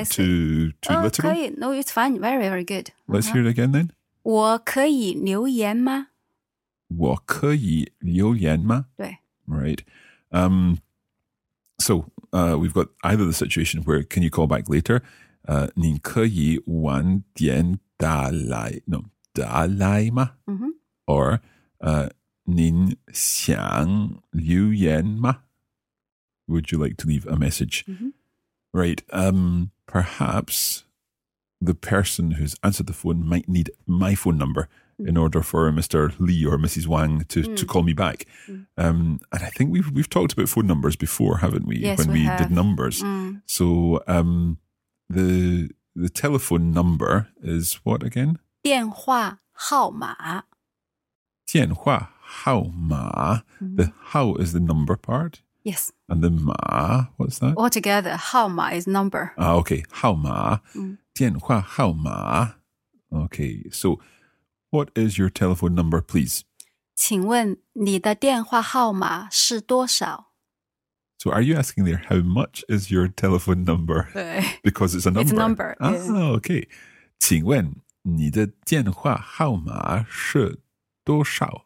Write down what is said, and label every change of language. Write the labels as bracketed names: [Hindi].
[English] Is that too literal? [Chinese] 可以. [English] No, it's fine. Very, very good. Let's hear it again then. [Chinese] 我可以留言吗? 我可以留言吗? 对. [English] Right. So we've got either the situation where can you call back later? [Chinese] 您可以晚点打来, no, 打来吗? Mm-hmm. Or 您想留言吗? [English] Would you like to leave a message? Mm-hmm. Right, perhaps the person who's answered the phone might need my phone number in order for Mr. Li or Mrs. Wang to call me back. Mm. And I think we've talked about phone numbers before, haven't we? Yes, when we have. Did numbers. Mm. So the telephone number is what again? [Chinese] 电话号码. 电话号码. Mm. [English] The how is the number part. Yes. And the ma, what's that? Altogether, hao ma is number. Ah, okay. Hao ma. [Chinese] Tian hua hao ma. [English] Okay. So, what is your telephone number, please? [Chinese] 请问你的电话号码是多少? [English] So, are you asking there, how much is your telephone number? Because it's a number. It's a number. Ah, okay. [Chinese] 请问你的电话号码是多少?